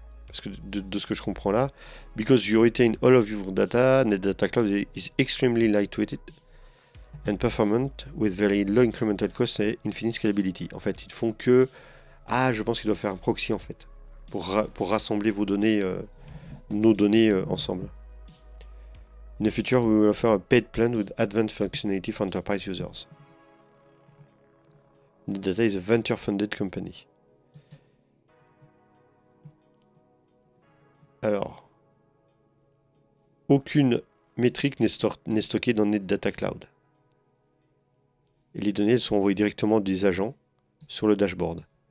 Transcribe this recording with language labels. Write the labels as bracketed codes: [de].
[fr] Parce que de ce que je comprends là, [en] because you retain all of your data, NetData Cloud is extremely lightweight and performant with very low incremental cost and infinite scalability. [fr] En fait, ils font que. Ah, je pense qu'il doit faire un proxy en fait, pour rassembler vos données, nos données ensemble. [en] In the future, we will offer a paid plan with advanced functionality for enterprise users. The data is a venture-funded company. [fr] Alors, aucune métrique n'est stockée dans Netdata Cloud. Et les données sont envoyées directement des agents sur le dashboard.